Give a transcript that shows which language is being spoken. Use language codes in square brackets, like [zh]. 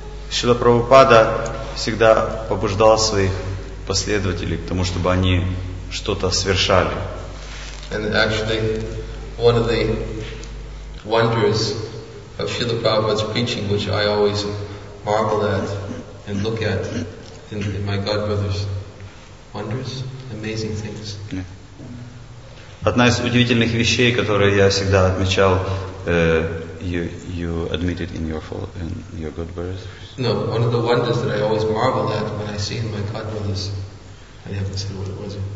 [ru] Шрила Прабхупада всегда побуждал своих последователей к тому, чтобы они что-то совершали. [en] And actually, one of the wonders of Srila Prabhupada's preaching, which I always marvel at and look at in my godbrothers, wonders, amazing things. [ru] Одна из удивительных вещей, которые я всегда отмечал. [en] You admitted in your godbrothers. No, one of the wonders that I always marvel at when I see in my godbrothers, I haven't said what it was.